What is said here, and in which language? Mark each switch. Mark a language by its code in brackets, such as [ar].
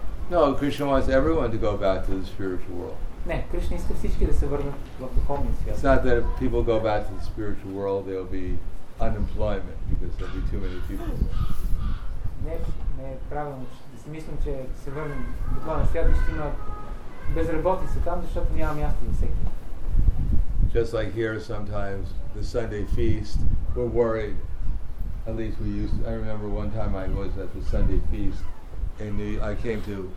[en] No, Krishna wants everyone to go back to the spiritual world. [bg] Не, Кришна иска всички да се върнат в духовния свят. [en] It's not that if people go back to the spiritual world, there'll be unemployment because there'll be too many people. [bg] Не е правилно да си мислим, че се върнем в духовния свят и ще има безработица там, защото няма място за всеки. [en] Just like here sometimes, the Sunday feast, we're worried. At least we used to, I remember one time I was at the Sunday feast and I came to